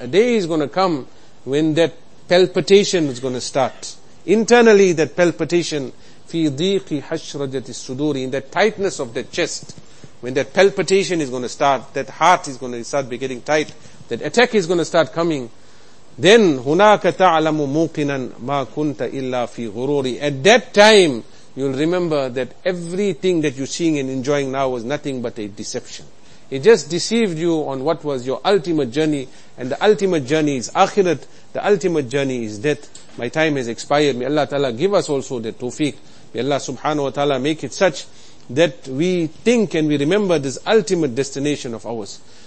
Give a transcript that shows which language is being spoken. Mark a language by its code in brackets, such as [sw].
[en] A day is going to come when that palpitation is going to start. Internally, that palpitation. [ar] فِي ضِيقِ حَشْرَجَةِ السُّدُورِ. [en] In that tightness of the chest. When that palpitation is going to start, that heart is going to start be getting tight, that attack is going to start coming. Then [ar] هُنَاكَ تَعْلَمُ مُوقِنًا مَا كُنْتَ إِلَّا فِي غُرُورِ. [en] At that time, you'll remember that everything that you're seeing and enjoying now was nothing but a deception. It just deceived you on what was your ultimate journey, and the ultimate journey is akhirat, the ultimate journey is death. My time has expired. May Allah Ta'ala give us also the tawfiq. May Allah Subhanahu Wa Ta'ala make it such that we think and we remember this ultimate destination of ours.